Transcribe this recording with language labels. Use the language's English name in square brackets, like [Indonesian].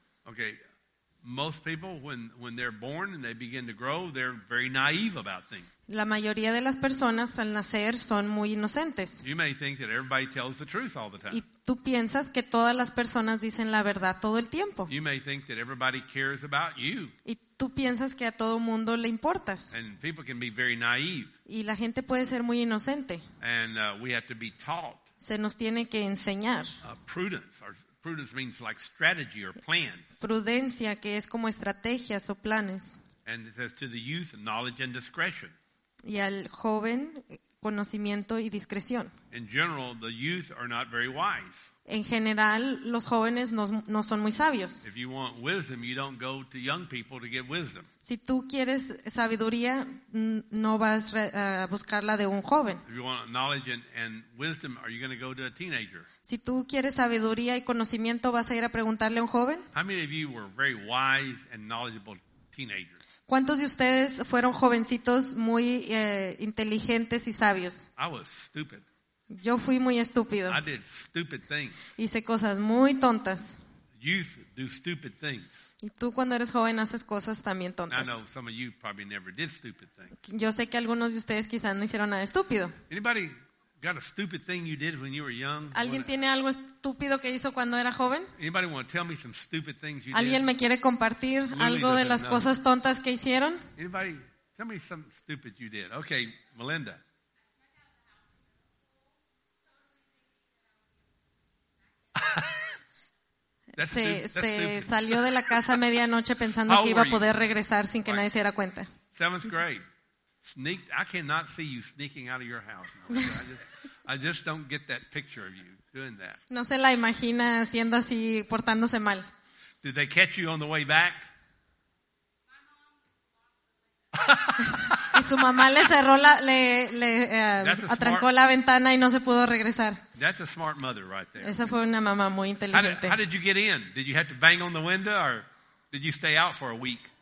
[English] Okay. Most people, when they're born and they begin to grow, they're very naive about things. [Spanish] La mayoría de las personas al nacer son muy inocentes. [English] You may think that everybody tells the truth all the time. [Spanish] Y tú piensas que todas las personas dicen la verdad todo el tiempo. [English] You may think that everybody cares about you. [Spanish] Y tú piensas que a todo mundo le importas. [English] And people can be very naive. [Spanish] Y la gente puede ser muy inocente. [English] And we have to be taught. [Spanish] Se nos tiene que enseñar. [English] Prudence means like strategy or plans. [Spanish] Prudencia, que es como estrategias o planes. [English] And it says to the youth, knowledge and discretion. [Spanish] Y al joven, conocimiento y discreción. [English] In general, the youth are not very wise. [Spanish] En general, los jóvenes no son muy sabios. [English] If you want wisdom, you don't go to young people to get wisdom. [Spanish] Si tú quieres sabiduría, no vas a buscarla de un joven. [English] If you want knowledge and wisdom, are you going to go to a teenager? [Spanish] Si tú quieres sabiduría y conocimiento, ¿vas a ir a preguntarle a un joven? [English] How many of you were very wise and knowledgeable teenagers? [Spanish] ¿Cuántos de ustedes fueron jovencitos muy inteligentes y sabios? [English] I was stupid. [Spanish] Yo fui muy estúpido. [English] I did stupid things. [Spanish] Hice cosas muy tontas. [English] Youth do stupid things. [Spanish] Y tú cuando eres joven haces cosas también tontas. [English] I know some of you probably never did stupid things. [Spanish] Yo sé que algunos de ustedes quizás no hicieron nada estúpido. [English] Anybody got a stupid thing you did when you were young? [Spanish] ¿Alguien tiene algo estúpido que hizo cuando era joven? [English] Anybody want to tell me some stupid things you did? [Spanish] ¿Alguien me quiere compartir algo de las cosas tontas que hicieron? [English] Anybody tell me some stupid you did? Okay, Melinda. [Spanish] Se salió de la casa a medianoche pensando que iba a poder regresar sin que nadie se diera cuenta. [English] Seventh grade. Sneaked. I cannot see you sneaking out of your house. I just don't get that picture of you doing that. [Spanish] No se la imagina haciendo así, portándose mal. [English] Did they catch you on the way back? [Spanish] Y su mamá le cerró la, le atrancó la ventana y no se pudo regresar. [English] That's a smart mother right there. [Spanish] Esa fue una mamá muy inteligente. [English] How did you get in? Did you have to bang on the window or did you stay out for a week?